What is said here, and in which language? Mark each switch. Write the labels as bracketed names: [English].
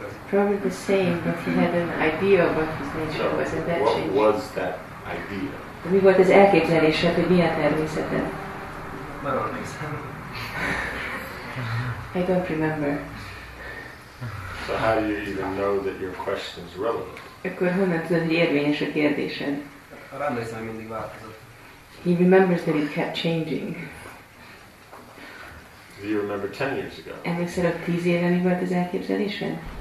[English] Probably the same, but he had an idea of what his nature was, and that changed. What was that idea? [Hungarian] Mi volt az elképzelése, hogy mi a természetem? [English] I don't remember. So how do you even know that your question is relevant? [Hungarian] Akkor honnan tudod, hogy érvényes a kérdésed? Emlékszem, mindig változott. [English] He remembers that it kept changing. Do you remember 10 years ago? [Hungarian] Emlékszel a 10 éve, mi volt az elképzelésed?